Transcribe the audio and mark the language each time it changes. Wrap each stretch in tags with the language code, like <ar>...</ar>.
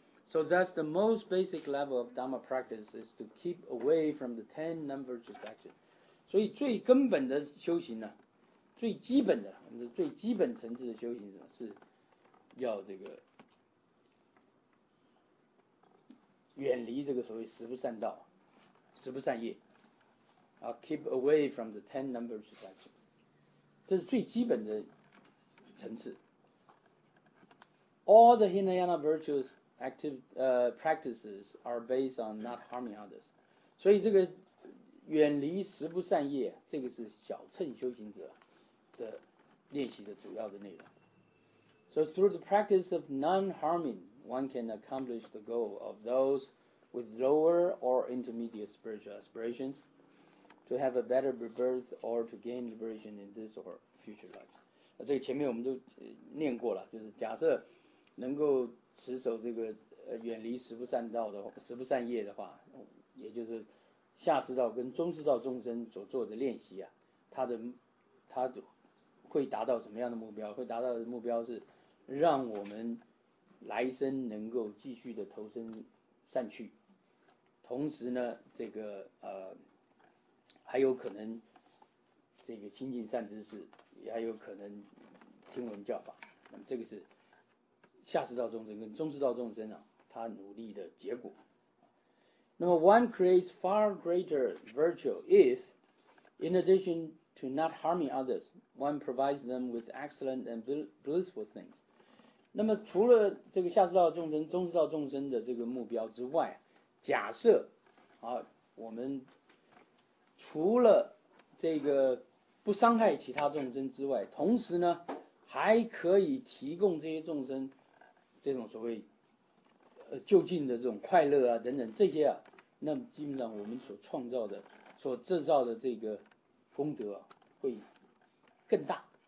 <en>So that's the most basic level of Dharma practice is to keep away from the 10 non-virtuous actions.</en> <zh>所以最根本的修行呢，最基本层次的修行是要这个远离这个所谓十不善道、十不善业。</zh> <en>Keep away from the 10 numbers of action.</en> <zh>这是最基本的层次。</zh> <en>All the Hinayana virtues practices are based on not harming others.</en> <zh>所以这个远离十不善业，这个是小乘修行者的练习的主要的内容。</zh> <en>So through the practice of non-harming, one can accomplish the goal of those with lower or intermediate spiritual aspirations. To have a better rebirth or to gain liberation in this or future lives.</en> <zh>这个前面我们都念过了，就是假设能够持守这个远离十不善道的十不善业的话，也就是下士道跟中士道众生所做的练习啊，它会达到什么样的目标？会达到的目标是让我们来生能够继续的投身善趣，同时呢，这个还有可能这个亲近善知识，也还有可能听闻教法。那么这个是下士道众生跟中士道众生啊，他努力的结果。那么</zh> <en>one creates far greater virtue if, in addition to not harming others, one provides them with excellent and blissful things.</en> <zh>那么除了这个下士道众生、中士道众生的这个目标之外，假设啊，我们除了这个不伤害其他众生之外，同时呢还可以提供这些众生这种所谓就近的这种快乐啊等等这些啊，那基本上我们所创造的、所制造的这个功德啊会更大。</zh>